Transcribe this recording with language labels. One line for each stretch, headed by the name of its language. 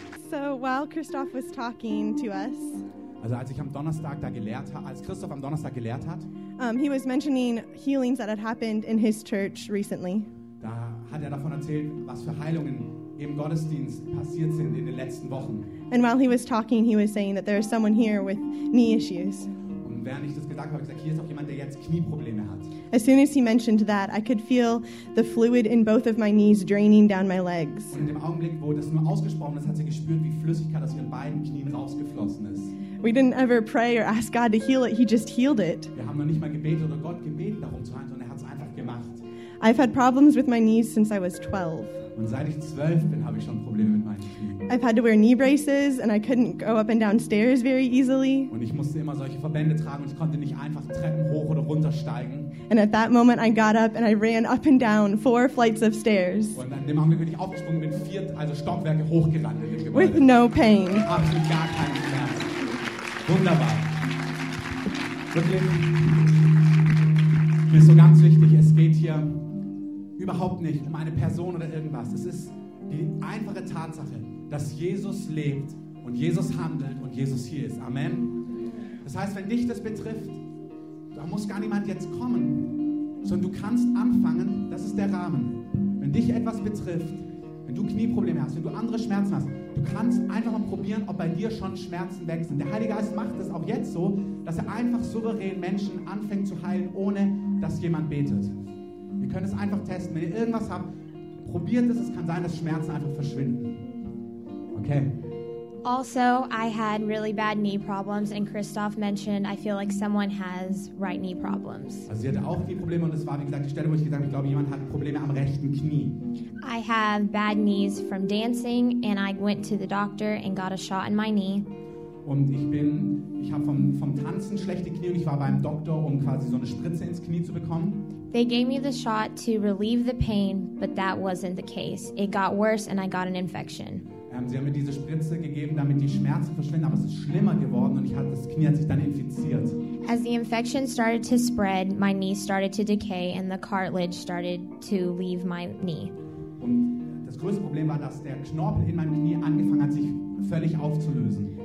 English: So, while Christoph was talking to us.
German: Also als ich am Donnerstag da gelehrt habe, als Christoph am Donnerstag gelehrt hat.
English: He was mentioning healings that had happened in his church recently.
German: Da hat er davon erzählt, was für Heilungen im Gottesdienst passiert sind in den letzten Wochen.
English: And while he was talking, he was saying that there is someone here with knee issues.
German: Und während ich das gesagt habe, ich gesagt, hier ist auch jemand, der jetzt Knieprobleme hat.
English: As soon as he mentioned that, I could feel the fluid in both of my knees draining down my legs.
German: Und in dem Augenblick, wo das nur ausgesprochen ist, hat sie gespürt, wie Flüssigkeit aus ihren beiden Knien rausgeflossen ist.
English: We didn't ever pray or ask God to heal it. He just healed it.
German: Wir haben noch nicht mal gebetet oder Gott gebeten, darum zu heilen, sondern er hat es einfach gemacht.
English: I've had problems with my knees since I was 12.
German: Und seit ich 12 bin, habe ich schon Probleme mit meinen Knien.
English: I've had to wear knee braces and I couldn't go up and down stairs very easily.
German: Und ich musste immer solche Verbände tragen und ich konnte nicht einfach Treppen hoch oder runter steigen.
English: And at that moment I got up and I ran up and down 4 flights of stairs.
German: Und an dem Augenblick bin ich aufgesprungen und bin 4 also Stockwerke hochgerannt in dem Gebäude.
English: With no pain.
German: Absolut gar keinen Schmerz. Wunderbar. Wirklich. Mir ist so ganz wichtig, es geht hier überhaupt nicht um eine Person oder irgendwas. Es ist die einfache Tatsache, dass Jesus lebt und Jesus handelt und Jesus hier ist. Amen. Das heißt, wenn dich das betrifft, da muss gar niemand jetzt kommen, sondern du kannst anfangen, das ist der Rahmen. Wenn dich etwas betrifft, wenn du Knieprobleme hast, wenn du andere Schmerzen hast, du kannst einfach mal probieren, ob bei dir schon Schmerzen weg sind. Der Heilige Geist macht es auch jetzt so, dass er einfach souverän Menschen anfängt zu heilen, ohne dass jemand betet. Ihr könnt es einfach testen. Wenn ihr irgendwas habt, probiert es. Es kann sein, dass Schmerzen einfach verschwinden. Okay.
English: Also, I had really bad knee problems and Christoph mentioned, I feel like someone has right knee problems.
German: Also, sie hatte auch Knieprobleme und es war, wie gesagt, die Stelle, wo ich gesagt habe, ich glaube, jemand hat Probleme am rechten Knie.
English: I have bad knees from dancing and I went to the doctor and got a shot in my knee.
German: Und ich habe vom Tanzen schlechte Knie und ich war beim Doktor, um quasi so eine Spritze ins Knie zu bekommen.
English: They gave me the shot to relieve the pain, but that wasn't the case. It got worse and I got an infection.
German: Sie haben mir diese Spritze gegeben, damit die Schmerzen verschwinden, aber es ist schlimmer geworden und das Knie hat sich dann infiziert.
English: As the infection started to spread, my knee started to decay and the cartilage started to leave my knee.
German: Und das größte Problem war, dass der Knorpel in meinem Knie angefangen hat, sich völlig aufzulösen.